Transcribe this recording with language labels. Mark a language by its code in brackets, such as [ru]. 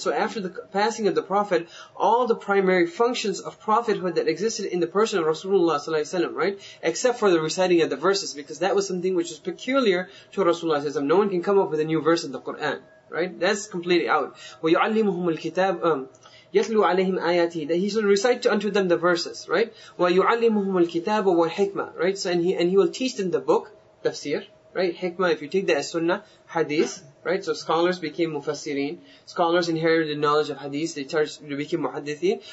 [en] So after the passing of the Prophet, all the primary functions of prophethood that existed in the person of Rasulullah sallallahu alayhi wa sallam, right? Except for the reciting of the verses, because that was something which is peculiar to Rasulullah sallallahu alayhi wa sallam. No one can come up with a new verse in the Quran, right? That's completely out. [ar] وَيُعَلِّمُهُمُ الْكِتَابُ يَتْلُوا عَلَيْهِمْ آيَاتِهِ. [en] He should recite unto them the verses, right? [ar] وَيُعَلِّمُهُمُ الْكِتَابُ وَالْحِكْمَةُ, right? [en] So and he will teach them the book, tafsir, right? Hikmah, if you take the as-sunnah, hadith, right? So scholars became mufassirin. Scholars inherited the knowledge of hadith. They became muhaddithin.